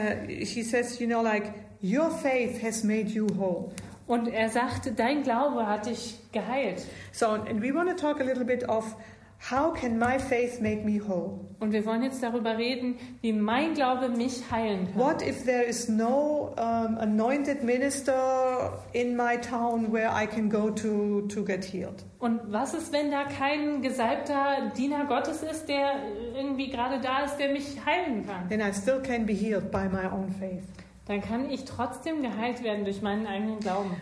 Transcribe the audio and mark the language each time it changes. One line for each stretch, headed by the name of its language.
English: He says, your faith has made you whole.
German: Und er sagt, dein Glaube hat dich geheilt.
English: So, and we want to talk a little bit of how can my faith make me whole.
German: Und wir wollen jetzt darüber reden, wie mein Glaube mich heilen kann.
English: What if there is no anointed minister in my town where I can go to get healed?
German: Und was ist, wenn da kein gesalbter Diener Gottes ist, der irgendwie gerade da ist, der mich heilen kann?
English: Then I still can be healed by my own faith.
German: Dann kann ich trotzdem geheilt werden durch meinen eigenen Glauben.